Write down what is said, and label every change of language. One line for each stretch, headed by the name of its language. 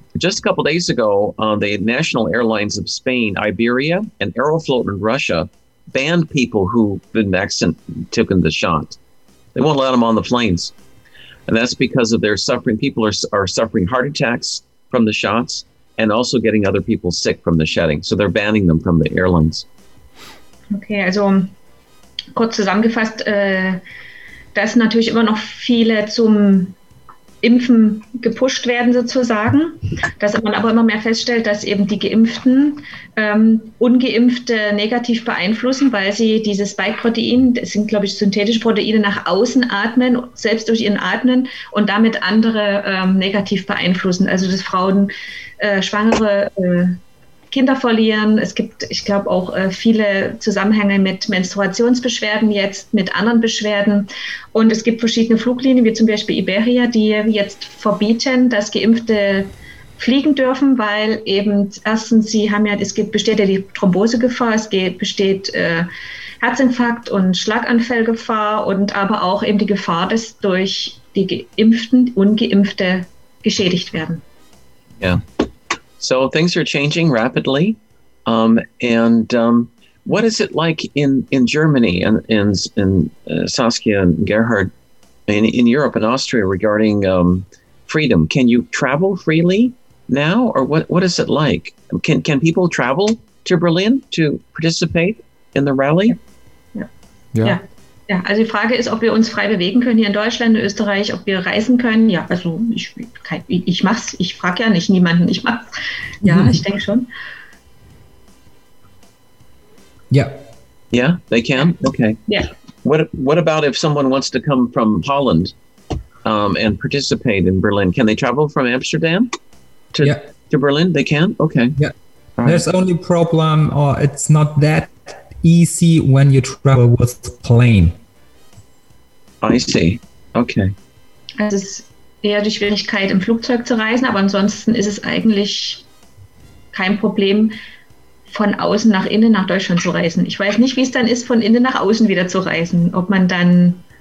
English: Just a couple of days ago, the national airlines of Spain, Iberia, and Aeroflot in Russia banned people who've been vaccinated, took the shot. They won't let them on the planes. And that's because of their suffering. People are suffering heart attacks from the shots and also getting other people sick from the shedding. So they're banning them from the airlines.
German: Okay, also kurz zusammengefasst, dass natürlich immer noch viele zum Impfen gepusht werden sozusagen, dass man aber immer mehr feststellt, dass eben die Geimpften Ungeimpfte negativ beeinflussen, weil sie dieses Spike-Protein, das sind glaube ich synthetische Proteine, nach außen atmen, selbst durch ihren Atmen und damit andere negativ beeinflussen. Also dass Frauen Schwangere Kinder verlieren. Es gibt, ich glaube, auch viele Zusammenhänge mit Menstruationsbeschwerden jetzt, mit anderen Beschwerden. Und es gibt verschiedene Fluglinien, wie zum Beispiel Iberia, die jetzt verbieten, dass Geimpfte fliegen dürfen, weil eben erstens, sie haben ja, besteht ja die Thrombosegefahr, besteht Herzinfarkt und Schlaganfallgefahr und aber auch eben die Gefahr, dass durch die Geimpften, Ungeimpfte geschädigt werden.
English: Ja. Yeah. So things are changing rapidly. What is it like in Germany and in Saskia and Gerhard in Europe and Austria regarding freedom? Can you travel freely now, or what is it like? Can people travel to Berlin to participate in the rally?
German: Ja, also die Frage ist, ob wir uns frei bewegen können hier in Deutschland, in Österreich, ob wir reisen können. Ja, also ich mach's. Ich frage ja nicht niemanden. Ich mach's. Ja, ich denke schon. Ja.
English: Yeah, they can. Okay. Yeah. What about if someone wants to come from Holland and participate in Berlin? Can they travel from Amsterdam to Berlin? They can. Okay. Yeah. Right. There's only problem, or it's not that easy when you travel with plane. I see. Okay.
German: Also es ist eher die Schwierigkeit, im Flugzeug zu reisen, aber ansonsten ist es eigentlich kein Problem, von außen nach innen nach Deutschland zu reisen. Ich weiß nicht, wie es dann ist, von innen nach außen wieder zu reisen, ob man dann...